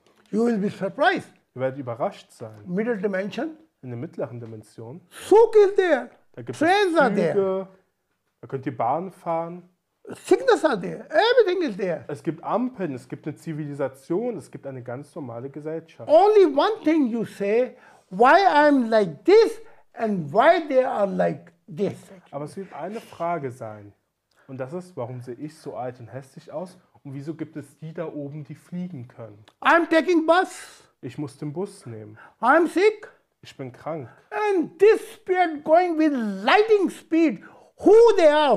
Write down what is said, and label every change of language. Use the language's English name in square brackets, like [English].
[English] You will be surprised. [German] Ihr werdet überrascht sein. [English] Middle dimension. [German] In der mittleren Dimension. [English] Zug is there. [German] Da gibt es Züge. Da könnt ihr Bahn fahren. [English] Sickness are there. Everything is there. [German] Es gibt Ampeln, es gibt eine Zivilisation, es gibt eine ganz normale Gesellschaft. [English] Only one thing you say, why I'm like this and why they are like this. [German] Aber es wird eine Frage sein. Und das ist, warum sehe ich so alt und hässlich aus und wieso gibt es die da oben, die fliegen können? [English] I'm taking bus. [German] Ich muss den Bus nehmen. [English] I'm sick. [German] Ich bin krank. [English] And this spirit going with lightning speed. Who they are?